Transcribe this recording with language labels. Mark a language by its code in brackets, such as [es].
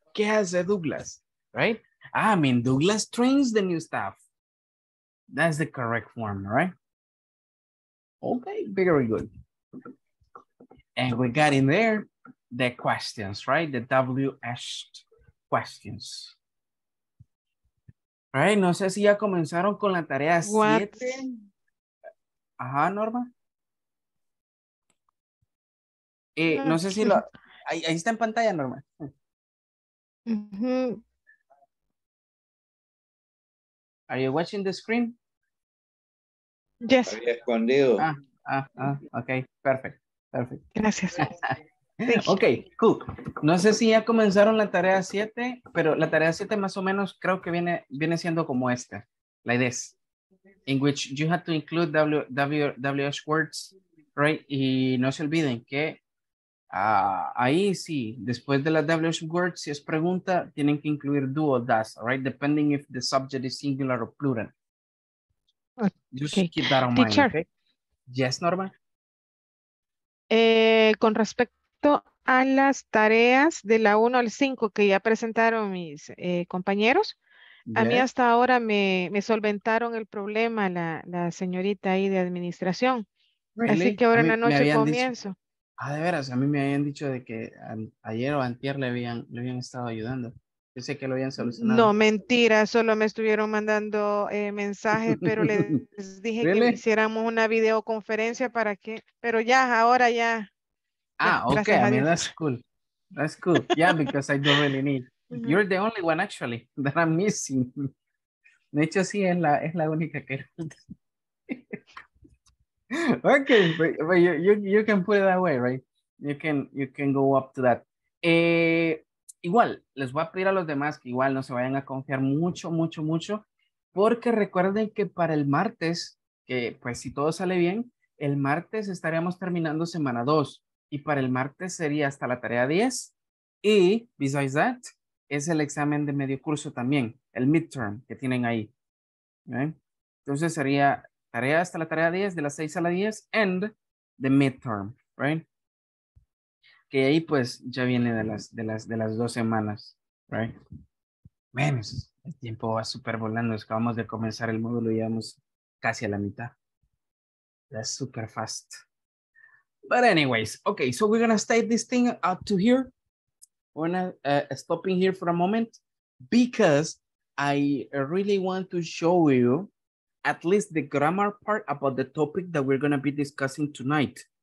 [es] ¿Qué hace Douglas? [en] Right? I mean, Douglas trains the new staff. That's the correct form, right? Okay, very good. And we got in there the questions, right? The WH questions. Right? [es] No sé si ya comenzaron con la tarea 7. Ajá, Norma. No sé si lo... Ahí está en pantalla, Norma. Mm-hmm. [en] Are you watching the screen? Yes. [es] Había escondido. [en] Okay. Perfect. Perfect. [es] Gracias. [en] Ok, cool. [es] No sé si ya comenzaron la tarea 7, pero la tarea 7 más o menos creo que viene siendo como esta. [en] Like this. In which you have to include WH words, right? [es] Y no se olviden que ahí sí, después de la WH words, si es pregunta, tienen que incluir [en] do or does, right? Depending if the subject is singular or plural. Okay. Just keep that on mind, teacher. Okay? Yes, Norma? [es] Con respecto a las tareas de la 1 al 5 que ya presentaron mis compañeros, [en] yes. [es] A mí hasta ahora me solventaron el problema la señorita ahí de administración. [en] Really? [es] Así que ahora en la noche comienzo. Ah, de veras, a mí me habían dicho de que ayer o antier le habían estado ayudando. Yo sé que lo habían solucionado. No, mentira, solo me estuvieron mandando mensajes, pero les dije [en] really? [es] Que hiciéramos una videoconferencia para que, pero ya, ahora ya. [en] Ah, okay. I mean, that's cool. That's cool. Yeah, because I don't really need. Mm-hmm. You're the only one, actually, that I'm missing. [es] De hecho, sí, es la única que. [en] Okay, but you can put it that way, right? You can go up to that. [es] Igual, les voy a pedir a los demás que igual no se vayan a confiar mucho, mucho, mucho, porque recuerden que para el martes, que pues si todo sale bien, el martes estaríamos terminando semana 2. Y para el martes sería hasta la tarea 10. Y, [en] besides that, [es] es el examen de medio curso también, el midterm que tienen ahí. ¿Okay? Entonces sería tarea hasta la tarea 10, de las 6 a la 10, [en] and the midterm, right? [es] Que ahí, pues, ya viene de las 2 semanas, right? Man, el tiempo va súper volando. Acabamos de comenzar el módulo y vamos casi a la mitad. [en] That's super fast. But anyways, okay, so we're gonna stay this thing up to here. We're gonna stop in here for a moment because I really want to show you at least the grammar part about the topic that we're gonna be discussing tonight.